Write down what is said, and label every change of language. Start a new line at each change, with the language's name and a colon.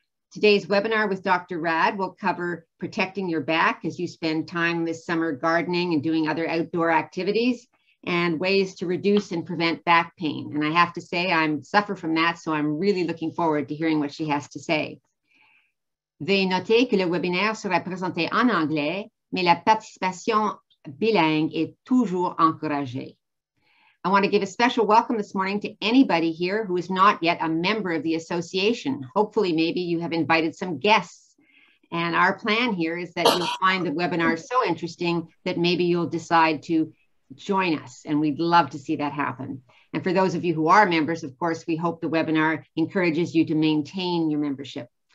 English: Today's webinar with Dr. Rad will cover protecting your back as you spend time this summer gardening and doing other outdoor activities and ways to reduce and prevent back pain. And I have to say, I suffer from that, so I'm really looking forward to hearing what she has to say.
French: Veuillez noter que le webinaire sera présenté en anglais, mais la participation bilingue est toujours encouragée.
English: I want to give a special welcome this morning to anybody here who is not yet a member of the association. Hopefully, maybe you have invited some guests. And our plan here is that you'll find the webinar so interesting that maybe you'll decide to join us. And we'd love to see that happen. And for those of you who are members, of course, we hope the webinar encourages you to maintain your membership.